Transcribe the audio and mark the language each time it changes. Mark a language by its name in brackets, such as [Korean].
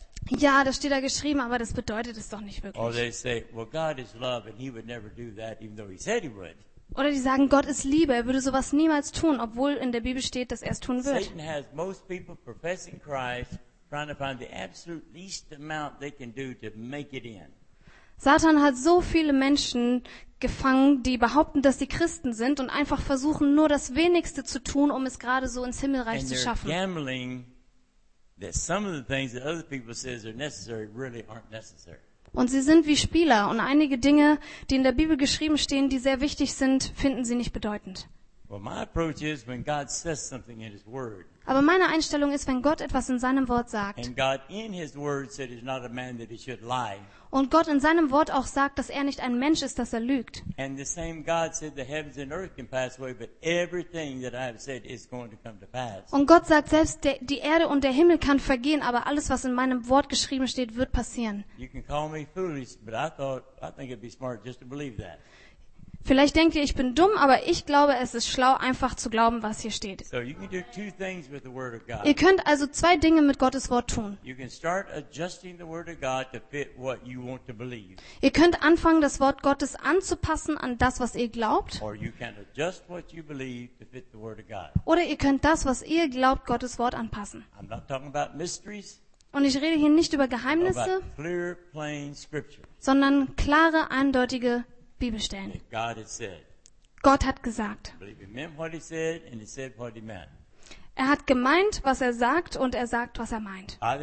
[German] Ja, das steht da geschrieben, aber das bedeutet es doch nicht wirklich. Oder die sagen, Gott ist Liebe, er würde sowas niemals tun, obwohl in der Bibel steht, dass er es tun wird. [English] Satan has most people professing Christ trying to find the absolute least amount they can do to make it in. [German] Satan hat so viele Menschen gefangen, die behaupten, dass sie Christen sind und einfach versuchen, nur das Wenigste zu tun, um es gerade so ins Himmelreich zu schaffen. [English] Gambling, that some of the things that other people say are necessary really aren't necessary. [German] Und sie sind wie Spieler und einige Dinge, die in der Bibel geschrieben stehen, die sehr wichtig sind, finden sie nicht bedeutend. [English] Well, my approach is when God says something in his word. [German] Aber meine Einstellung ist, wenn Gott etwas in seinem Wort sagt. [English] And God in his word said he's not a man that he should lie. [German] Und Gott in seinem Wort auch sagt, dass er nicht ein Mensch ist, dass er lügt. [English] And the same God said the heavens and earth can pass away, but everything that I have said is going to come to pass. [German] Und Gott sagt selbst, die Erde und der Himmel kann vergehen, aber alles, was in meinem Wort geschrieben steht, wird passieren. [English] You can call me foolish, but I think it'd be smart just to believe that. [German] Vielleicht denkt ihr, ich bin dumm, aber ich glaube, es ist schlau, einfach zu glauben, was hier steht. [English] So you can do two things with the word of God. [German] Ihr könnt also zwei Dinge mit Gottes Wort tun. [English] You can start adjusting the word of God to fit what you want to believe. [German] Ihr könnt anfangen, das Wort Gottes anzupassen an das, was ihr glaubt. [English] Or you can adjust what you believe to fit the word of God. [German] Oder ihr könnt das, was ihr glaubt, Gottes Wort anpassen. [English] I'm not talking about mysteries. [German] Und ich rede hier nicht über Geheimnisse, [English] about clear, plain scripture. [German] Sondern klare, eindeutige Bibelstellen. [English] God has said. [German] Gott hat gesagt. Er hat gemeint, was er sagt, und er sagt, was er meint.